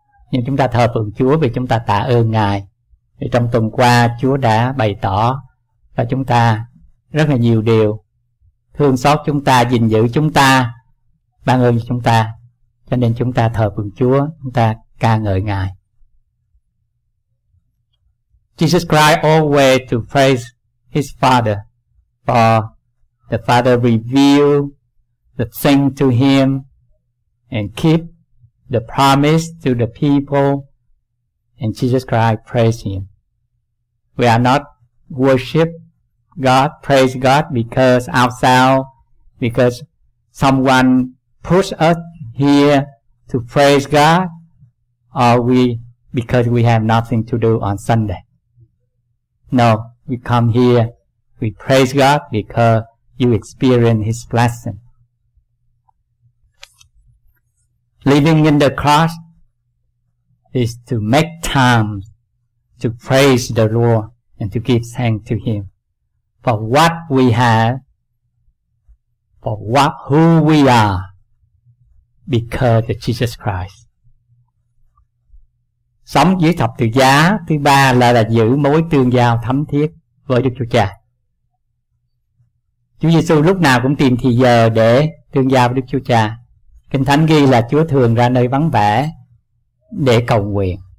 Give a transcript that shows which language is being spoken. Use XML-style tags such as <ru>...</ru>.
<vi>Nhưng chúng ta thờ phượng Chúa vì chúng ta tạ ơn Ngài. Vì trong tuần qua Chúa đã bày tỏ và chúng ta rất là nhiều điều, thương xót chúng ta, gìn giữ chúng ta, ban ơn cho chúng ta. Cho nên chúng ta thờ phượng Chúa, chúng ta ca ngợi Ngài.</vi> <en>Jesus Christ always to praise His Father, for the Father revealed the thing to Him and keep the promise to the people, and Jesus Christ praised Him. We are not worship God, praise God because outside, because someone push us here to praise God, or we because we have nothing to do on Sunday. No, we come here, we praise God because you experience His blessing. Living in the cross is to make time to praise the Lord and to give thanks to Him for what we have, for what who we are, because of Jesus Christ.</en> <vi>Sống dưới thập tự giá thứ ba là giữ mối tương giao thấm thiết với Đức Chúa Cha. Chúa Giêsu lúc nào cũng tìm thì giờ để tương giao với Đức Chúa Cha. Kinh Thánh ghi là Chúa thường ra nơi vắng vẻ để cầu nguyện.</vi>